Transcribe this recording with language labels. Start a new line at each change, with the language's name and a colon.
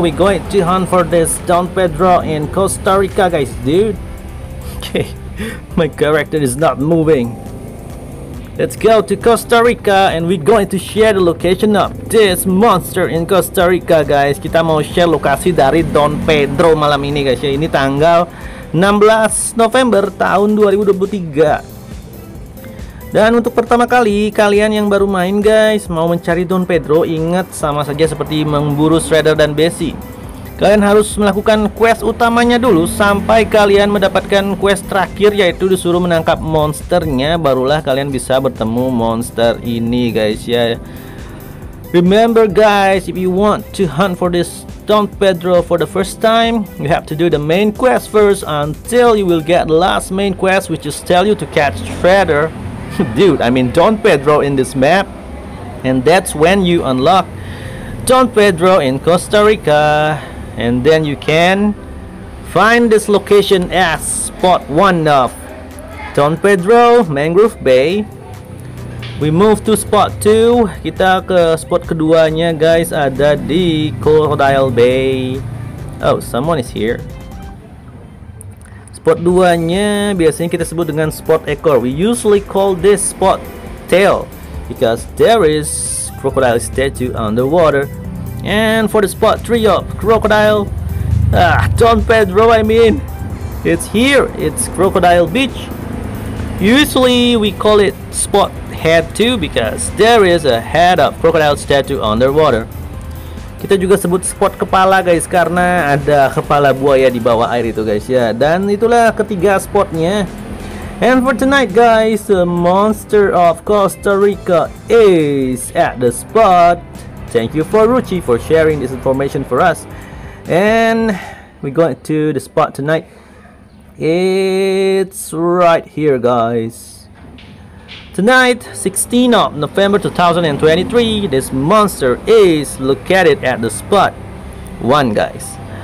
English: We going to hunt for this Don Pedro in Costa Rica, guys, dude. Okay, my character is not moving. Let's go to Costa Rica and we're going to share the location of this monster in Costa Rica, guys.
Indonesian: Kita mau share lokasi dari Don Pedro malam ini, guys. Ini tanggal 16 November tahun 2023. Dan untuk pertama kali, kalian yang baru main, guys, mau mencari Don Pedro, ingat sama saja seperti memburu Shredder dan Bessie. Kalian harus melakukan quest utamanya dulu sampai kalian mendapatkan quest terakhir, yaitu disuruh menangkap monsternya, barulah kalian bisa bertemu monster ini, guys, ya.
English: Remember guys, if you want to hunt for this Don Pedro for the first time, you have to do the main quest first until you will get the last main quest, which is tell you to catch Shredder, dude, I mean Don Pedro in this map, and that's when you unlock Don Pedro in Costa Rica. And then you can find this location as spot one of Don Pedro Mangrove Bay. We move to spot two.
Indonesian: Kita ke spot keduanya, guys. Ada di Crocodile Bay.
English: Oh, someone is here.
Indonesian: Spot duanya biasanya kita sebut dengan spot ekor.
English: We usually call this spot tail because there is crocodile statue underwater. And for the spot three of crocodile, Don Pedro, I mean, it's here, it's Crocodile Beach. Usually we call it spot head two because there is a head of crocodile statue underwater.
Indonesian: Kita juga sebut spot kepala, guys, karena ada kepala buaya di bawah air itu, guys, ya. Dan itulah ketiga spotnya.
English: And for tonight, guys, the monster of Costa Rica is at the spot. Thank you for Ruchi for sharing this information for us. And we're going to the spot tonight. It's right here, guys. Tonight, 16 of November 2023, this monster is located at the spot one, guys.